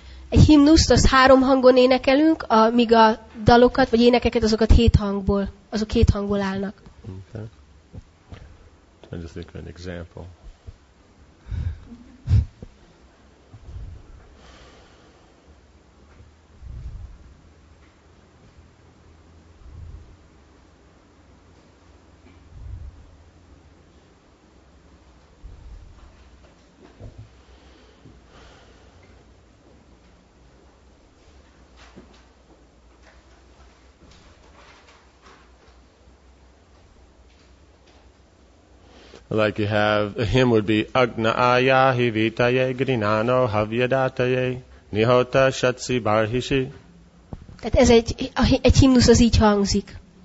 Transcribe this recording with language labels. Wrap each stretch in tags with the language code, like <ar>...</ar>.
<hu>A himnuszt az három hangon énekelünk, míg a dalokat vagy énekeket azokat hét hangból állnak.</hu> <en>Okay. I just think of an example. Like you have a hymn would be</en> <sa>Agna Ayahi Vitaye Grinano Havyadataye Nihota Shatsi Barhishi.</sa> <hu>Tehát ez egy himnusz, az így hangzik.</hu>